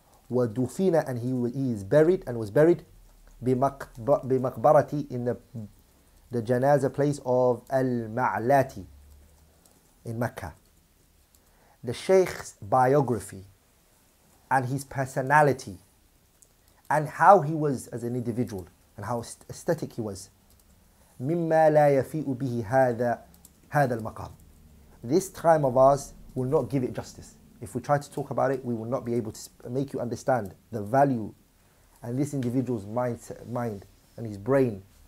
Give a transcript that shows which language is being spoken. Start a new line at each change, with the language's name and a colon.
Arabic: ودفن
English: and he is buried and was buried
Arabic: بمقبرتي
English: in the janazah place of Al-Ma'lati in Mecca. The Sheikh's biography and his personality and how he was as an individual and how aesthetic he was.
Arabic: مما لا يفيء به هذا المقام.
English: This time of ours will not give it justice. If we try to talk about it, we will not be able to make you understand the value and this individual's mind and his brain.